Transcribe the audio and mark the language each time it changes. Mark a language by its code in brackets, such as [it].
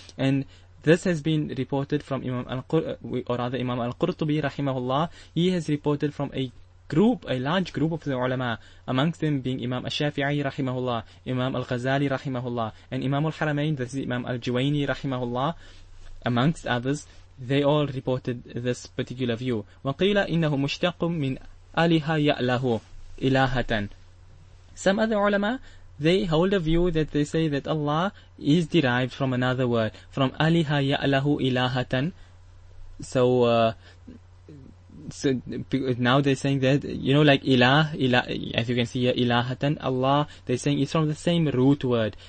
[en] And this has been reported from Imam Al-Qurtubi, rahimahullah. He has reported from a large group of the ulama, amongst them being Imam Al-Shafi'i, rahimahullah, Imam Al-Ghazali, rahimahullah, and Imam Al-Haramain, this is Imam Al-Juwayni, rahimahullah, amongst others. They all reported this particular view. [ar] وَقِيلَ إِنَّهُ مُشْتَقٌ مِّنْ Aliha ya'lahu ilahatan. [en] Some other ulama, they hold a view that they say that Allah is derived from another word, from Aliha ya'lahu ilahatan. So now they're saying that, you know, like ilah, as you can see here, ilahatan, Allah, they're saying it's from the same root word.